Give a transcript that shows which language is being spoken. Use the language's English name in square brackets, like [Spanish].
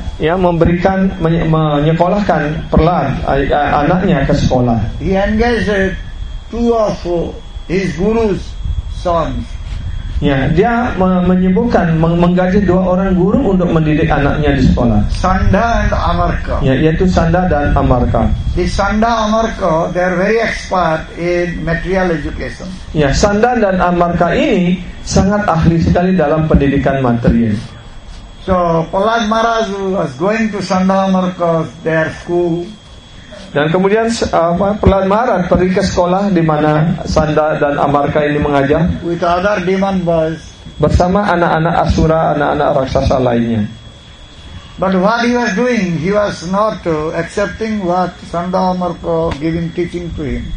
[Indonesian] ya, memberikan menyekolahkan Prahlad anaknya ke sekolah. [English] He engaged two of his guru's sons. [Indonesian] Ya, dia menyembuhkan, menggaji dua orang guru untuk mendidik anaknya di sekolah. [English] Sanda and Amarka. [Indonesian] Ya, yaitu Sanda dan Amarka. [English] The Sanda Amarka, they are very expert in material education. [Indonesian] Ya, Sanda dan Amarka ini sangat ahli sekali dalam pendidikan material. [English] So, Prahlad Maharaj was going to Sanda Amarka, their school. [Indonesian] Dan kemudian Prahlad Maharaj pergi ke sekolah di mana Sanda dan Amarka ini mengajar. [English] With other demon boys. [Indonesian] Bersama anak-anak asura, anak-anak raksasa lainnya. [English] But what he was doing, he was not accepting what Sanda Amarka giving teaching to him.